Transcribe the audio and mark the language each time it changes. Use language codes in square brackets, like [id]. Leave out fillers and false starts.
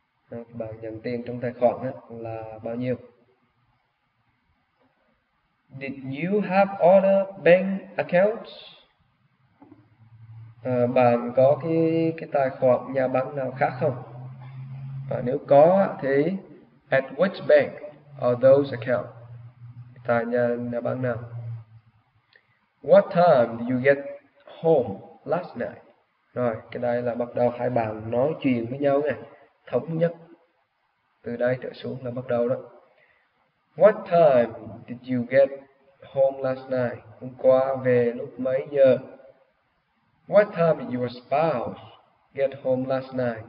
[vi] Bạn nhận tiền trong tài khoản á là bao nhiêu? [en] Did you have other bank accounts? [vi] Bạn có cái tài khoản nhà băng nào khác không? Nếu có thì [en] at which bank are those accounts? [vi] Tại nhà băng nào? [en] What time did you get home last night? [vi] Rồi, cái đây là bắt đầu hai bạn nói chuyện với nhau nè, thống nhất. Từ đây trở xuống là bắt đầu đó. [en] What time did you get home last night? [vi] Hôm qua về lúc mấy giờ? [en] What time did your spouse get home last night?